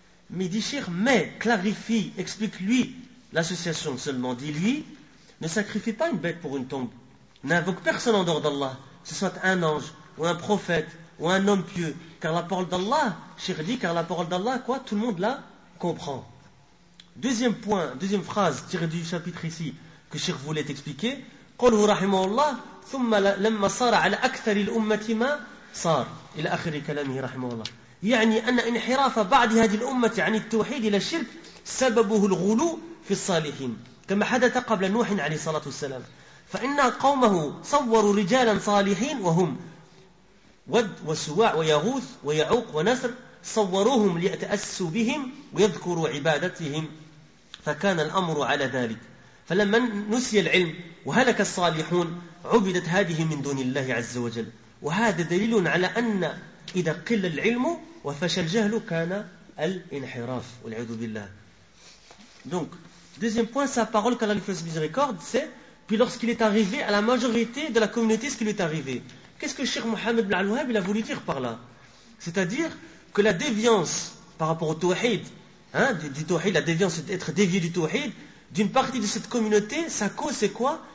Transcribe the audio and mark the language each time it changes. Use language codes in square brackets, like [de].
[fr] Mais dit Cheikh, mais clarifie, explique-lui l'association seulement. Dis-lui, ne sacrifie pas une bête pour une tombe. n'invoque personne en dehors d'Allah, que ce soit un ange, ou un prophète, ou un homme pieux. Car la parole d'Allah, cher dit, car la parole d'Allah, quoi, tout le monde la comprend. Deuxième point, deuxième phrase tirée du chapitre ici, que cher voulait expliquer. [ar] قوله رحمه الله ثم لما صار على أكثر الأمة ما صار إلى آخر كلامه رحمه الله يعني أن انحراف بعض هذه الأمة عن التوحيد إلى الشرك سببه الغلو في الصالحين كما حدث قبل نوح عليه الصلاة والسلام فإن قومه صوروا رجالا صالحين وهم ود وسواع ويغوث ويعوق ونسر صوروهم ليتأسوا بهم ويذكروا عبادتهم فكان الأمر على ذلك فلما نسي العلم وهلك الصالحون عبدت هذه من دون الله عز وجل وهذا دليل على أن إذا قل العلم وفشى الجهل كان الانحراف والعوذ بالله. [fr] Donc, deuxième point, sa parole qu'Allah lui fasse miséricorde, c'est puis lorsqu'il est arrivé à la majorité de la communauté, ce qui lui est arrivé. Qu'est-ce que Cheikh Mohamed bin Al-Wahhab a voulu dire par là? C'est-à-dire que la déviance par rapport au tawhid, hein, du tawhid, la déviance d'être dévié du tawhid, d'une partie de cette communauté, sa cause c'est quoi?